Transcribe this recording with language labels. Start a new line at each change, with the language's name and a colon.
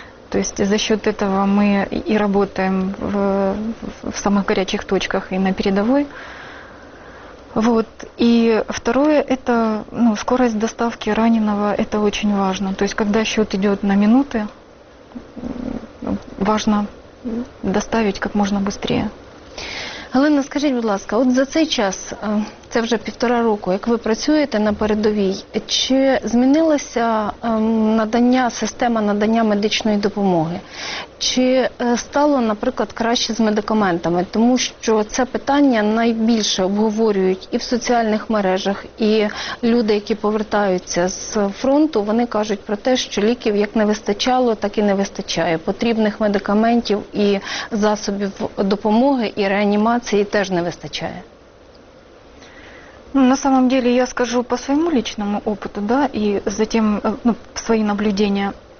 Russian: То есть за счет этого мы и работаем в самых горячих точках и на передовой. Вот. И второе, это скорость доставки раненого, это очень важно. То есть когда счет идет на минуты, важно доставить как можно быстрее.
Ukrainian: Галина, скажіть, будь ласка, от за цей час Це вже півтора року, як ви працюєте на передовій. Чи змінилося надання, система надання медичної допомоги? Чи стало, наприклад, краще з медикаментами? Тому що це питання найбільше обговорюють і в соціальних мережах, і люди, які повертаються з фронту, вони кажуть про те, що ліків як не вистачало, так і не вистачає. Потрібних медикаментів і засобів допомоги і реанімації теж не вистачає.
Russian: Ну, на самом деле, я скажу по своему личному опыту, да, и затем свои наблюдения.